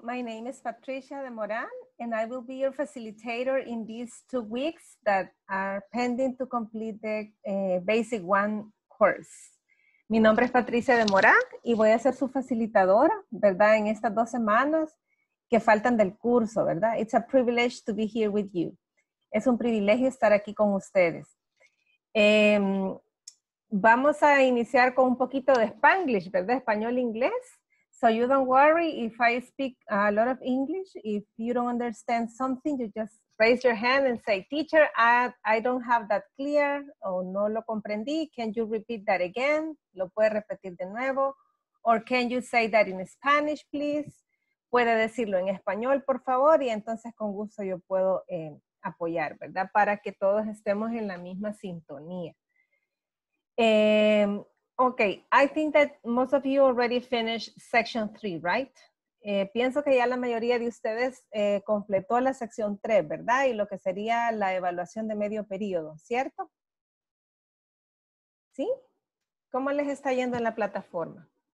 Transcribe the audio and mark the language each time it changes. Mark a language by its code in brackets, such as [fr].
[en] My name is Patricia de Moran, and I will be your facilitator in these 2 weeks that are pending to complete the Basic One course. [es] Mi nombre es Patricia de Moran, y voy a ser su facilitadora, ¿verdad? En estas 2 semanas que faltan del curso, ¿verdad? [en] It's a privilege to be here with you. [es] Es un privilegio estar aquí con ustedes. Vamos a iniciar con un poquito de Spanglish, ¿verdad? Español-inglés. [en] So you don't worry if I speak a lot of English. If you don't understand something, you just raise your hand and say, teacher, I don't have that clear, [es] o no lo comprendí. [en] Can you repeat that again? [es] ¿Lo puede repetir de nuevo? [en] Or can you say that in Spanish, please? [es] ¿Puede decirlo en español, por favor? Y entonces con gusto yo puedo apoyar, ¿verdad? Para que todos estemos en la misma sintonía. [en] Okay, I think that most of you already finished section 3, right? [es] Pienso que ya la mayoría de ustedes completó la sección 3, ¿verdad? Y lo que sería la evaluación de medio periodo, ¿cierto? ¿Sí? ¿Cómo les está yendo en la plataforma?